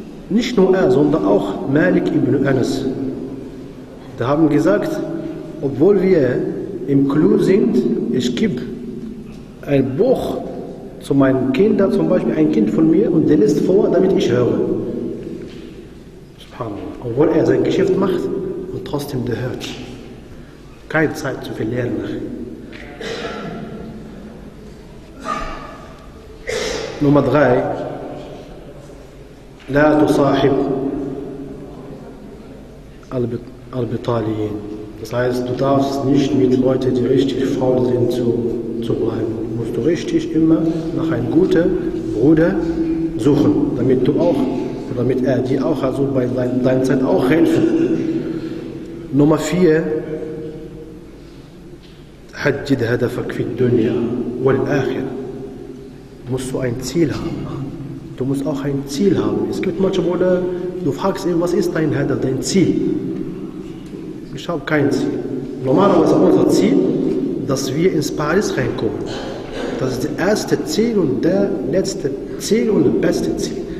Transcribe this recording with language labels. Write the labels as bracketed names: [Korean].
[German] Nicht nur er, sondern auch Malik ibn Anas. Die haben gesagt, obwohl wir im Klo sind, ich gebe ein Buch zu meinen Kindern, zum Beispiel ein Kind von mir, und der liest vor, damit ich höre. Subhanallah. Obwohl er sein Geschäft macht und trotzdem der hört. Keine Zeit zu verlieren. Nummer 3, [Arabic] لا تصاحب البطاليين. [German] Das heißt, du darfst nicht mit Leuten, die richtig faul sind, zu bleiben. Du musst richtig immer nach einem guten Bruder suchen, damit du auch, damit er dir auch, also bei deiner Zeit auch helfen. Nummer 4, [Arabic] حدد هدفك في الدنيا والآخرة. [German] Musst du ein Ziel haben. Du musst auch ein Ziel haben. Es gibt manche Brüder, du fragst ihn, was ist dein Hedda, dein Ziel? Ich habe kein Ziel. Normalerweise unser Ziel, dass wir ins Paris reinkommen. Das ist das erste Ziel und der letzte Ziel und das beste Ziel.